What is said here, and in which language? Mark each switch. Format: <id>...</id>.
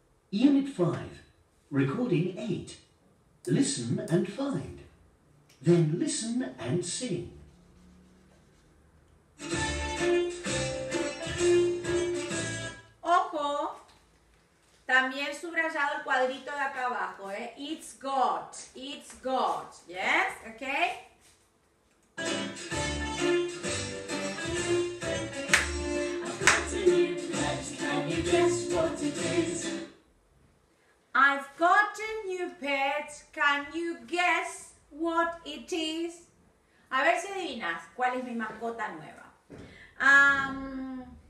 <en>Unit 5. Recording 8. Listen and find. Then listen and sing.</en> <es>Ojo. También subrayado el cuadrito de acá abajo, ¿eh?</es> <en>It's got, yes, okay? I've got a new pet, can you guess what it is?</en> <es>A ver si adivinas cuál es mi mascota nueva.</es>